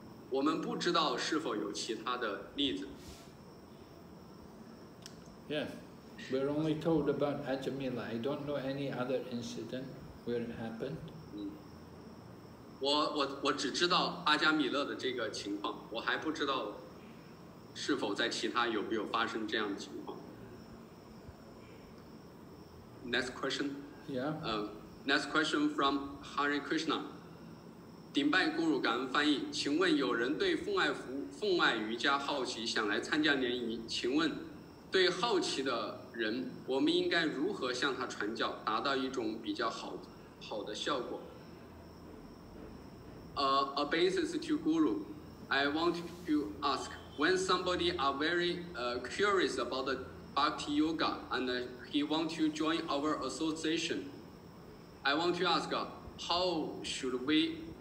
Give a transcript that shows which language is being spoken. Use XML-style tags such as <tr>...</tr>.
<zh>我们不知道是否有其他的例子。</zh> <en>Yes, we're only told about Ajamila. I don't know any other incident where it happened.</en> <zh>我只知道阿加米勒的这个情况，我还不知道是否在其他有没有发生这样的情况。</zh> <en>Next question. Yeah. Next question from Hare Krishna.</en> <zh>顶拜咕噜感恩翻译，请问有人对奉爱瑜伽好奇，想来参加联谊，请问对好奇的人，我们应该如何向他传教，达到一种比较好的效果？</zh> <en>A basis to guru, I want to ask, when somebody are very curious about the bhakti yoga and he want to join our association, I want to ask, how should we?</en>